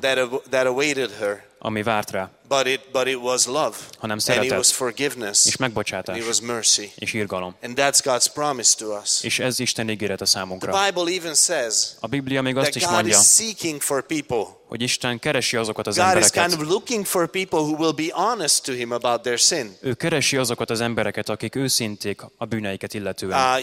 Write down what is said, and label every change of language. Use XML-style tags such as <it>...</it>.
<en>that awaited her,</en> <hu>ami várt rá,</hu> <en>but it was love,</en> <hu>hanem szeretet,</hu> <en>and it was forgiveness,</en> <hu>és megbocsátás,</hu> <en>and it was mercy,</en> <hu>és irgalom,</hu> <en>and that's God's promise to us.</en> <hu>És ez Isten ígérete számunkra.</hu> <en>The Bible even says,</en> <hu>a Biblia még azt is mondja,</hu> <en>that God is seeking for people,</en> <hu>hogy Isten keresi azokat az</hu> <en>God</en> <hu>embereket.</hu> <en>God is kind of looking for people who will be honest to him about their sin.</en> <hu>Ő keresi azokat az embereket, akik őszinték a bűneiket illetően.</hu>